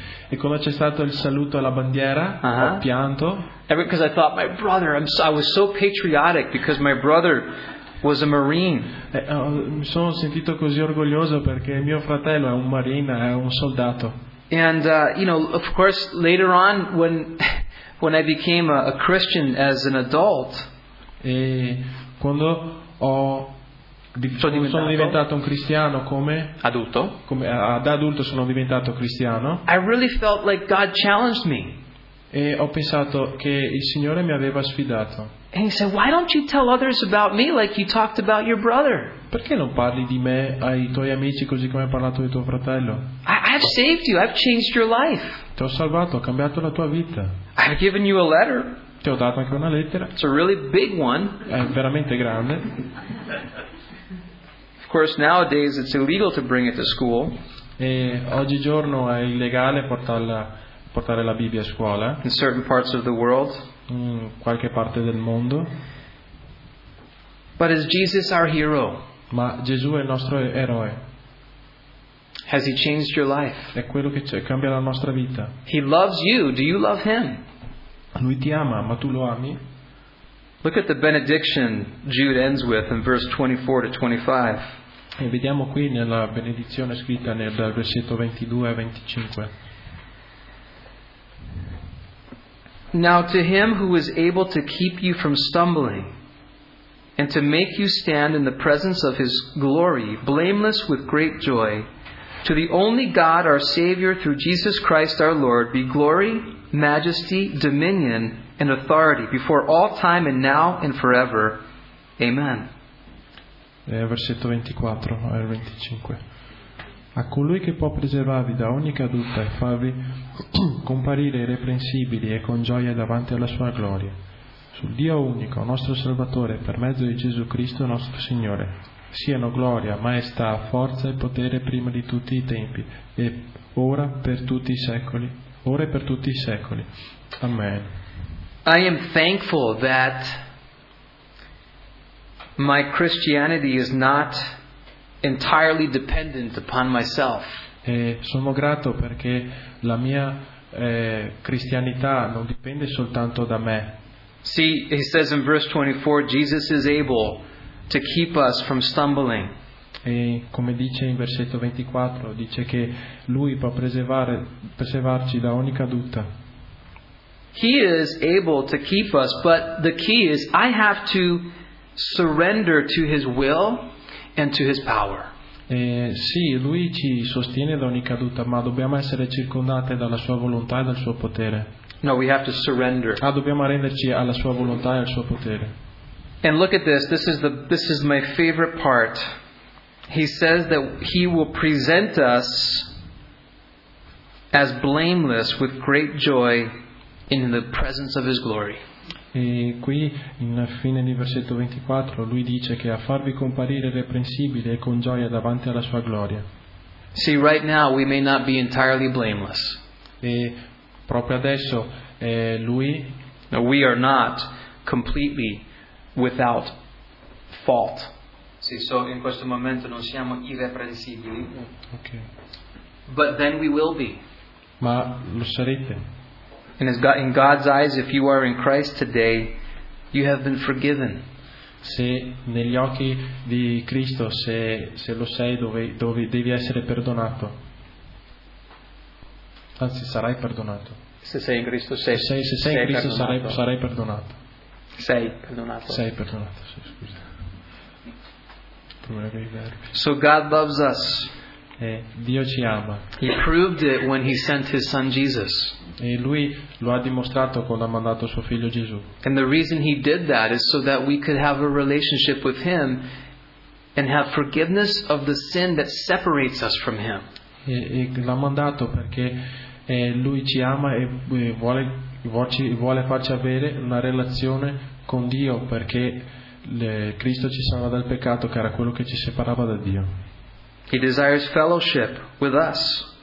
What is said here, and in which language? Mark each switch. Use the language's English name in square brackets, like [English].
[Italian] E quando c'è stato il saluto alla bandiera, ho pianto. [English] Because I thought my brother, I was so patriotic because my brother was a Marine. [Italian] Mi sono sentito così orgoglioso perché mio fratello è un marine, è un soldato. [English] And you know, of course, later on when I became a Christian as an adult. [Italian] E quando sono diventato un cristiano come adulto. Come ad adulto sono diventato cristiano. [English] I really felt like God challenged me. [Italian] E ho pensato che il Signore mi aveva sfidato. [English] And he said, "Why don't you tell others about me like you talked about your brother?" [Italian] Perché non parli di me ai tuoi amici così come hai parlato di tuo fratello? [English] I've saved you. I've changed your life. [Italian] Ti ho salvato, ho cambiato la tua vita. [English] I've given you a letter. [Italian] Ti ho dato anche una lettera. [English] It's a really big one. [Italian] È veramente grande. [English] Of course, nowadays it's illegal to bring it to school. [Italian] E oggigiorno è illegale portare la Bibbia a scuola. [English] In certain parts of the world. [Italian] In qualche parte del mondo. [English] But is Jesus our hero? [Italian] Ma Gesù è il nostro eroe. [English] Has he changed your life? [Italian] È quello che cambia la nostra vita. [English] He loves you. Do you love him? [Italian] Lui ti ama, ma tu lo ami? [English] Look at the benediction Jude ends with in verse 24-25. [Italian] E vediamo qui nella benedizione scritta nel versetto 22-25. [English] Now to him who is able to keep you from stumbling and to make you stand in the presence of his glory, blameless with great joy, to the only God, our Savior, through Jesus Christ our Lord, be glory, majesty, dominion, and authority before all time and now and forever. Amen. [Italian] Versetto 24-25. A colui che può preservarvi da ogni caduta e farvi comparire irreprensibili e con gioia davanti alla sua gloria, sul Dio unico, nostro Salvatore, per mezzo di Gesù Cristo, nostro Signore, siano gloria, maestà, forza e potere prima di tutti i tempi e ora per tutti i secoli, ora e per tutti i secoli. Amen. [English] I am thankful that my Christianity is not entirely dependent upon myself. [Italian] E sono grato perché la mia cristianità non dipende soltanto da me. [English] See, he says in verse 24, Jesus is able to keep us from stumbling. [Italian] E come dice in versetto 24, dice che lui può preservarci da ogni caduta. [English] He is able to keep us, but the key is I have to surrender to his will and to his power. [Italian] Sì, lui ci sostiene da ogni caduta, ma dobbiamo essere circondati dalla sua volontà e dal suo potere. [English] No, we have to surrender. [Italian] Ah, dobbiamo arrenderci alla sua volontà e al suo potere. [English] And look at this. This is my favorite part. He says that he will present us as blameless with great joy in the presence of his glory. [Italian] E qui in fine di versetto 24 lui dice che a farvi comparire irreprensibile e con gioia davanti alla sua gloria. [English] See, right now we may not be entirely blameless. [Italian] E proprio adesso lui. [English] Now we are not completely without fault. [Italian] Sì, so in questo momento non siamo irreprensibili. [English] Okay. But then we will be. [Italian] Ma lo sarete. And as God, in God's eyes, if you are in Christ today, you have been forgiven. Se negli occhi di Cristo, se lo sei, dove devi essere perdonato. Anzi, sarai perdonato. Se sei in Cristo, sei. Se sei in Cristo, sarai perdonato. Sei perdonato. Sei perdonato. Sì, scusa. [English] So God loves us. [Italian] Dio ci ama. [English] He proved it when he sent his son Jesus. [Italian] E lui lo ha dimostrato quando ha mandato suo figlio Gesù. [English] And the reason he did that is so that we could have a relationship with him and have forgiveness of the sin that separates us from him. [Italian] E l'ha mandato perché lui ci ama e vuole farci avere una relazione con Dio perché Cristo ci salva dal peccato che era quello che ci separava da Dio. [English] He desires fellowship with us.